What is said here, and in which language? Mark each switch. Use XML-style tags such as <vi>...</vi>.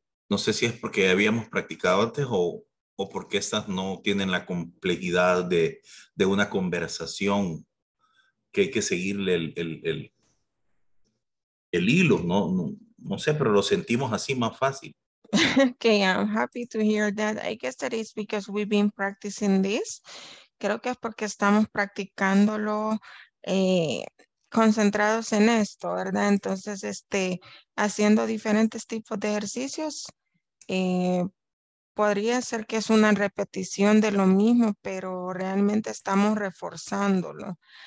<es>No sé si es porque habíamos practicado antes o porque estas no tienen la complejidad de una conversación que hay que seguirle el hilo, ¿no? No sé, pero lo sentimos así más fácil.</es> <en>Okay, I'm happy to hear that. I guess that is because we've been practicing this.</en> <es>Creo que es porque estamos practicándolo concentrados en esto, ¿verdad? Entonces, haciendo diferentes tipos de ejercicios, podría ser que es una repetición de lo mismo, pero realmente estamos reforzándolo.</es>